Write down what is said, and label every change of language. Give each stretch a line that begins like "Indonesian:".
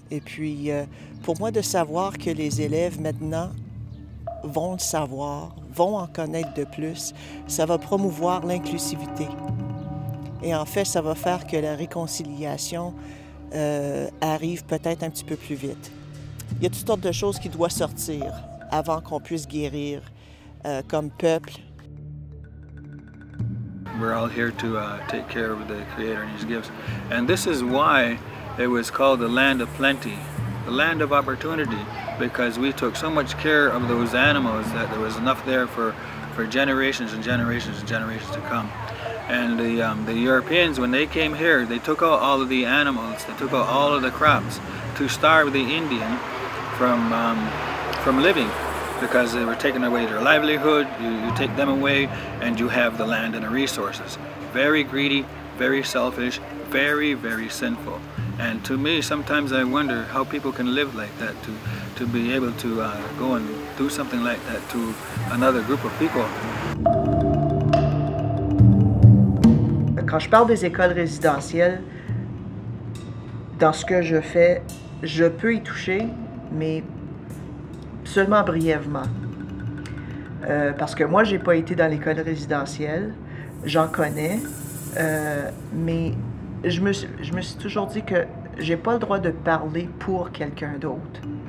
French: Et puis, pour moi, de savoir que les élèves, maintenant, vont le savoir, vont en connaître de plus, ça va promouvoir l'inclusivité. Et en fait, ça va faire que la réconciliation arrive peut-être un petit peu plus vite. Il y a toutes sortes de choses qui doivent sortir avant qu'on puisse guérir. Comme peuple.
English: We're all here to take care of the Creator and His gifts. And this is why it was called the land of plenty, the land of opportunity, because we took so much care of those animals that there was enough there for generations and generations and generations to come. And the Europeans, when they came here, they took out all of the animals, they took out all of the crops to starve the Indian from living. Because they were taking away their livelihood, you take them away, and you have the land and the resources. Very greedy, very selfish, very, very sinful. And to me, sometimes I wonder how people can live like that, to be able to go and do something like that to another group of people.
French: Quand je parle des écoles résidentielles, dans ce que je fais, je peux y toucher, mais seulement brièvement, parce que moi, j'ai pas été dans l'école résidentielle, j'en connais, mais je me suis toujours dit que j'ai pas le droit de parler pour quelqu'un d'autre.